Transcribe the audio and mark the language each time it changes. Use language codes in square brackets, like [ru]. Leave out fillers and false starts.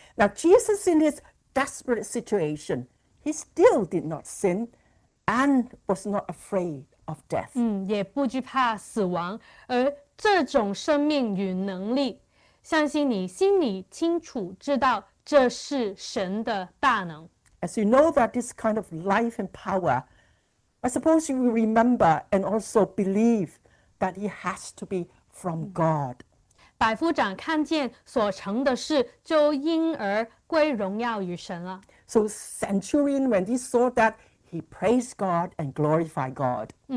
[en] Now Jesus in his desperate situation, he still did not sin and was not afraid of death. [zh] 也不惧怕死亡，而这种生命与能力。相信你心里清楚知道这是神的大能。 [en] As you know that this kind of life and power, I suppose you will remember and also believe that it has to be from God. [zh] 百夫长看见所成的事，就因而归荣耀与神了。 [en] So centurion, when he saw that, he praised God and glorified God.